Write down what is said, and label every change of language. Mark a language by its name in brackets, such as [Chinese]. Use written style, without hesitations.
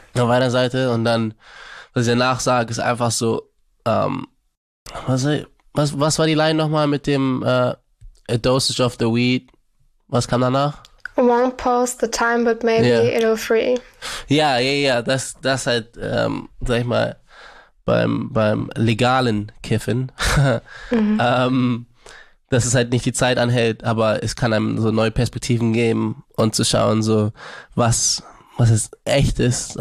[German] Auf einer Seite und dann, was ich danach sage, ist einfach so, was war die Line nochmal mit dem [English] A Dosage of the Weed? [German] Was kam danach? [English] Won't pause the time, but maybe it'll free. [German] Ja, das halt, sag ich mal, beim legalen Kiffen, dass es halt nicht die Zeit anhält, aber es kann einem so neue Perspektiven geben und zu schauen, so was es echt ist.